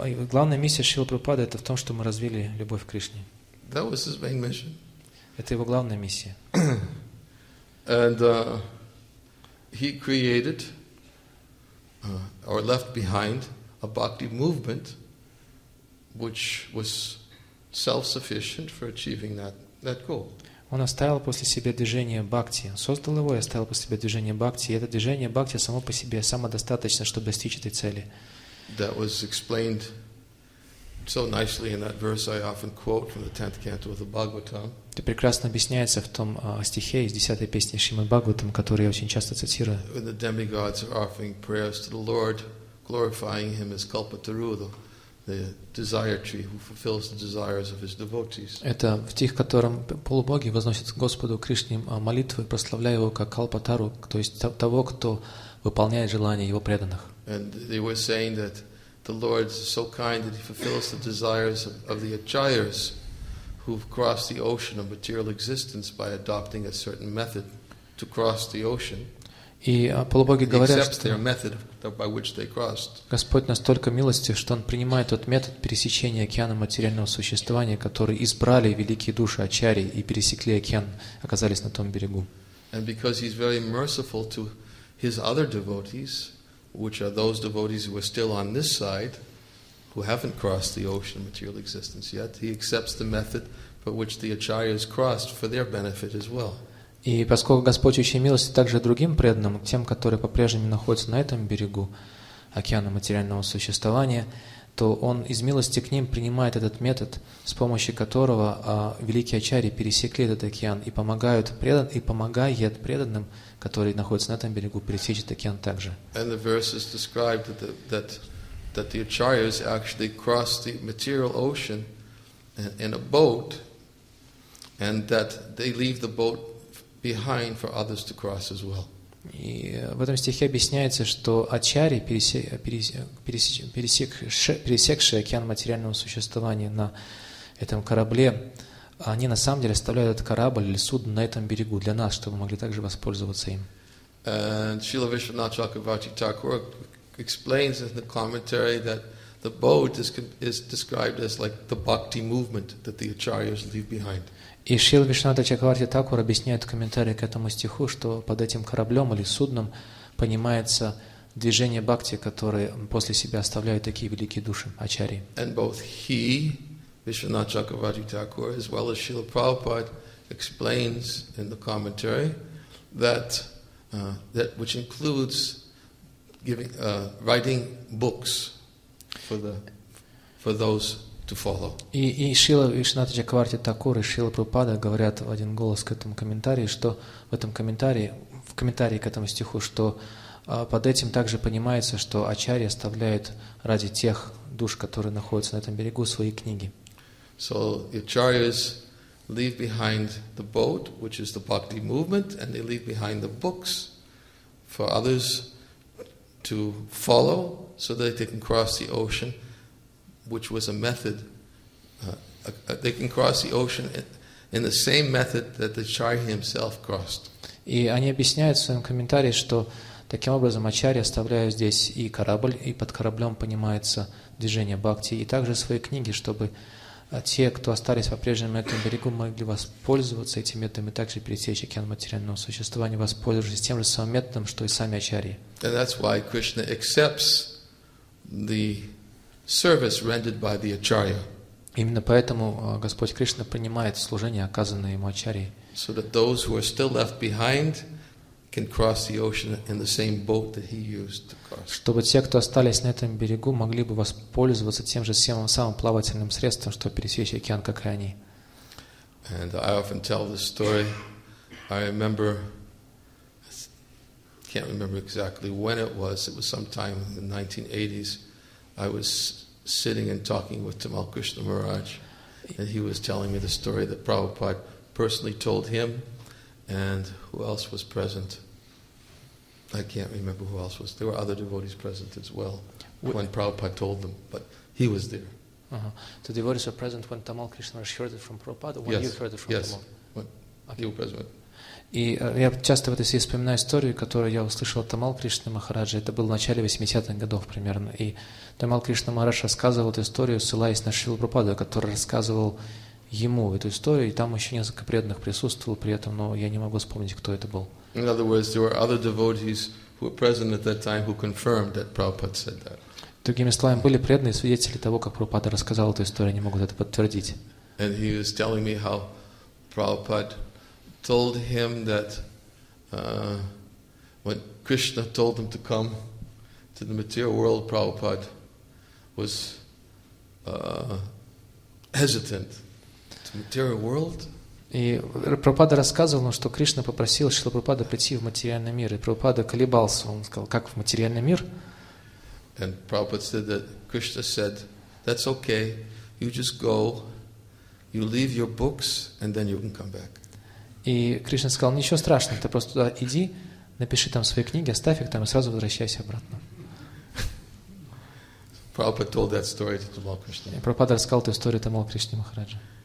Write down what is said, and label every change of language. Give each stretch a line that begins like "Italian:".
Russian: Главная миссия Шрилы Прабхупады это в том, что мы развили любовь к Кришне.
English: That was his main mission.
Russian: Это его главная миссия.
English: And he created or left behind a bhakti movement which was self-sufficient for achieving that goal.
Russian: Он оставил после себя движение бхакти. Создал его и оставил после себя движение бхакти. И это движение бхакти само по себе самодостаточно, чтобы достичь этой цели.
English: That was explained so nicely in that verse I often quote from the 10th canto of the Bhagavatam.
Russian: Это прекрасно объясняется в том стихе из 10-й песни Шримад Бхагаватам, который я очень часто цитирую.
English: When the demigods are offering prayers to the Lord, glorifying him as Kalpataru, the desire tree who fulfills the desires of his devotees.
Russian: Это в тех, в котором полубоги возносят Господу Кришне молитвы, прославляя его как Калпатару, то есть того, кто выполняет желания его преданных.
English: And they were saying that the Lord is so kind that he fulfills the desires of the achayas who've crossed the ocean of material existence by adopting a certain method to cross the ocean.
Russian: И полубоги говорят,
English: accepts their method by which they crossed.
Russian: Господь настолько милостив, что он принимает тот метод пересечения океана материального существования, который избрали великие души ачари и пересекли океан, оказались на том берегу.
English: And because he's very merciful to his other devotees, which are those devotees who are still on this side, who haven't crossed the ocean of material existence yet, he accepts the method by which the acharyas crossed for their benefit as well.
Russian: И поскольку Господь очень милостив также другим преданным, тем, которые по-прежнему находятся на этом берегу океана материального существования, то он из милости к ним принимает этот метод, с помощью которого великие ачарьи пересекли этот океан и помогают преданным, которые находятся на этом берегу, пересечь этот океан также.
English: And the verses describe that the acharyas actually crossed the material ocean in a boat, and that they leave the boat behind for others to cross as well.
Russian: И в этом стихе объясняется, что ачарьи пересекшие океан материального существования на этом корабле, они на самом деле оставляют этот корабль или судно на этом берегу для нас, чтобы мы могли также воспользоваться им.
English: And Srila Vishwanatha Chakravarti Thakur explains in the commentary that the boat is described as like the bhakti movement that the acharyas leave behind.
Russian: И Шрила Вишнуната Чакраварти Такур объясняет в комментарии к этому стиху, что под этим кораблем или судном понимается движение бхакти, которое после себя оставляют такие великие души, ачарьи.
English: And both he, Вишнуната Чакраварти Такур, as well as Шрила Прабхупада, explains in the commentary that which includes writing books for those to follow.
Russian: И Шрила Вишнуната Чакраварти Такур и Шрила Прабхупада говорят в один голос к этому комментарии, что в этом комментарии, в комментарии к этому стиху, что под этим также понимается, что ачарьи оставляют ради тех душ, которые находятся на этом берегу, свои книги.
English: So the acharyas leave behind the boat, which is the bhakti movement, and they leave behind the books for others to follow so that they can cross the ocean, which was a method. They can cross the ocean in the same method that the Acharya himself crossed.
Russian: И они объясняют в своем комментарии, что таким образом Ачарья оставляет здесь и корабль, и под кораблем понимается движение бхакти, и также свои книги, чтобы те, кто остались по-прежнему на этом берегу, могли воспользоваться этим методом и также пересечь океан материального существования, воспользовавшись тем же самым методом, что и сами Ачарьи.
English: And that's why Krishna accepts the service rendered by the Acharya.
Russian: Именно поэтому Господь Кришна принимает служение, оказанное ему Ачарьей.
English: So that those who are still left behind can cross the ocean in the same boat that he used to cross.
Russian: Чтобы те, кто остались на этом берегу, могли бы воспользоваться тем же самым плавательным средством, чтобы пересечь океан, как и они.
English: And I often tell this story. I remember, can't remember exactly when it was. It was sometime in the 1980s. I was sitting and talking with Tamal Krishna Maharaj, and he was telling me the story that Prabhupada personally told him, and who else was present? I can't remember who else was. There were other devotees present as well when Prabhupada told them, but he was there. The devotees were present when Tamal Krishna heard it from Prabhupada, when you heard it from Tamal? Yes, he was present.
Russian: И я часто в этой связи вспоминаю историю, которую я услышал от Тамал Кришны Махараджа. Это было в начале 80-х годов примерно. И Тамал Кришна Махарадж рассказывал эту историю, ссылаясь на Шрилу Прабхупаду, который рассказывал ему эту историю. И там еще несколько преданных присутствовало при этом, но я не могу вспомнить, кто это был.
English: In other words, there were other devotees who were present at that time who confirmed that Prabhupada said that.
Russian: Другими словами, были преданные свидетели того, как Прабхупада рассказал эту историю, они могут это подтвердить.
English: And he was telling me how Prabhupada told him that when Krishna told him to come to the material world, Prabhupada was hesitant. To material world?
Russian: И Прабхупада рассказывал, что Кришна попросил Шрилу Прабхупаду прийти в материальный мир, и Прабхупада колебался. Он сказал, как в материальный мир?
English: And Prabhupada said that Krishna said, "That's okay. You just go. You leave your books, and then you can come back."
Russian: И Кришна сказал, ничего страшного, ты просто туда иди, напиши там свои книги, оставь их там и сразу возвращайся обратно.
English: Prabhupada told that story to Tamal Krishna.
Russian: И Прабхупада рассказал эту историю Тамал Кришне Махараджа.